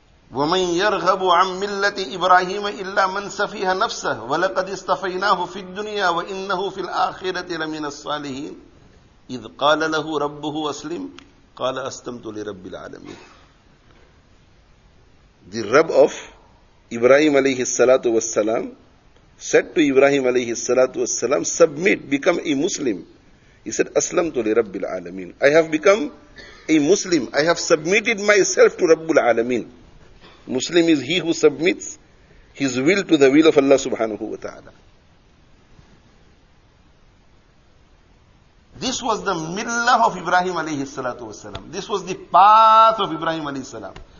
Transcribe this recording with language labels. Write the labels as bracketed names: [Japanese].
[Arabic] وَمَنْ يَرْغَبُ عَمْ مِلَّةِ إِبْرَاهِيمَ إِلَّا مَنْ سَفِيهَ نَفْسَهُ وَلَقَدْ اصْطَفَيْنَاهُ فِي الدُّنْيَا وَإِنَّهُ فِي الْآخِرَةِ لَمِنَ الصَّالِحِينَ إِذْ قَالَ لَهُ رَبُّهُ أَسْلِمْ قَالَ أَسْلَمْتُ لِرَبِّ الْعَالَمِينَ. [English] The Rabb of Ibrahim alayhi salatu wassalam said to Ibrahim alayhi salatu wassalam, submit, become a Muslim. He said, [Arabic] أَسْلَمْتُ لِرَبِّ الْعَالَمِينَ. [English] I have become a Muslim. I have submitted myself to Rabbul Alameen. Muslim is he who submits his will to the will of Allah subhanahu wa ta'ala. This was the millah of Ibrahim alayhi salatu wassalam. This was the path of Ibrahim alayhi salam.